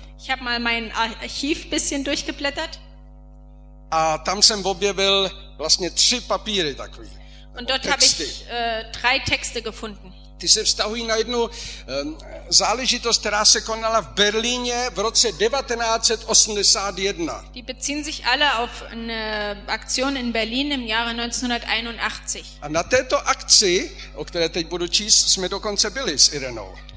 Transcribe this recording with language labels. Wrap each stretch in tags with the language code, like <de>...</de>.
<de>Ich habe mal mein Archiv bisschen durchgeblättert.</de> <cs>A tam jsem objevil vlastně tři papíry takový.</cs> <de>Und dort habe ich drei Texte gefunden.</de> <cs>Ty se vztahují na jednu záležitost, která se konala v Berlíně v roce 1981.</cs> <de>Die beziehen sich alle auf eine Aktion in Berlin im Jahre 1981.</de> <cs>A na této akci, o které teď budu číst, jsme dokonce byli s Irenou.</cs>